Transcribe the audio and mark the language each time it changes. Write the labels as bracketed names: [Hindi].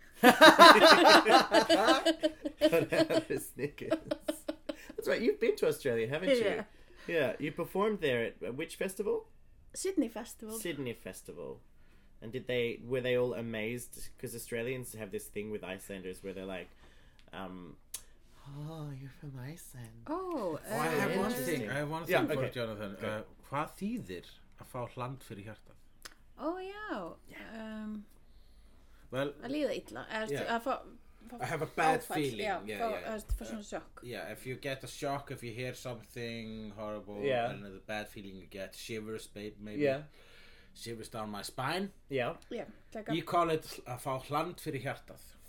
[English] That's right, you've been to Australia, haven't you? Yeah, you performed there at which festival? Sydney Festival. And were they all amazed? Because Australians have this thing with Icelanders where they're like, oh, you're from Iceland. Oh, I have one thing. I have one thing for Jonathan. [Icelandic] Hvað þýðir að fá land fyrir hjarta? Oh, já. [English] Well, [Icelandic] að líða illa. [English] I have a bad feeling. [Icelandic] For svona sjokk. [English] Yeah, if you get a shock, if you hear something horrible, and the bad feeling you get, shivers, babe, maybe. Yeah. Shivers down my spine. Yeah. You call it [Icelandic] að fá land fyrir hjarta.